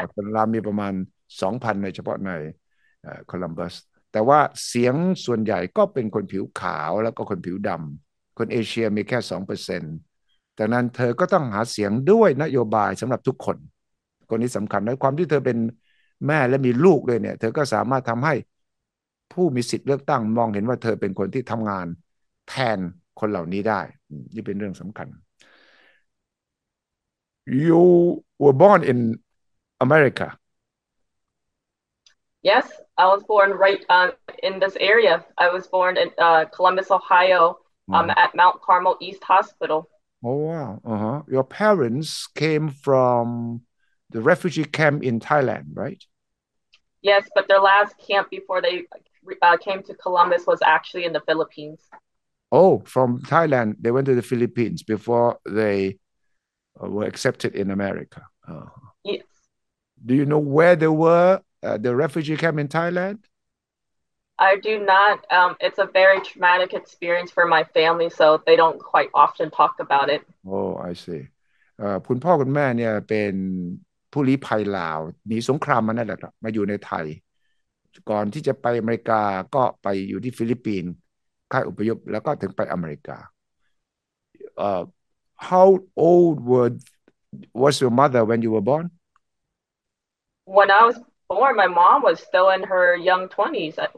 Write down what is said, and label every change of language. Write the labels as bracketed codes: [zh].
[th] คนลาวมีประมาณ 2,000 ในเฉพาะในคลัมบัสแต่ว่าเสียงส่วนใหญ่ก็เป็นคนผิวขาวแล้วก็คนผิวดำคนเอเชียมีแค่ 2% ดังนั้นเธอก็ต้องหาเสียงด้วยนโยบายสำหรับทุกคนคนนี้สำคัญในความที่เธอเป็นแม่และมีลูกด้วยเนี่ยเธอก็สามารถทำให้ ผู้มีสิทธิ์เลือกตั้งมองเห็นว่าเธอเป็นคนที่ทำงานแทนคนเหล่านี้ได้นี่เป็นเรื่องสำคัญ [en] You were born in America Yes, I was born right in this area. I was born in Columbus, Ohio, at Mount Carmel East Hospital. Oh, wow. Uh-huh. Your parents came from the refugee camp in Thailand, right? Yes, but their last camp before they came to Columbus was actually in the Philippines. Oh, from Thailand, they went to the Philippines before they were accepted in America. Yes. Do you know where they were? The refugee camp in Thailand? I do not. It's a very traumatic experience for my family, so they don't quite often talk about it. Oh, I see. [th] คุณพ่อคุณแม่เนี่ยเป็นผู้ลี้ภัยลาวหนีสงครามมานั่นแหละครับมาอยู่ในไทยก่อนที่จะไปอเมริกาก็ไปอยู่ที่ฟิลิปปินส์ค่ายอพยพแล้วก็ถึงไปอเมริกา [en] How old was your mother when you were born? When I wasMy mom was still in her young 20s.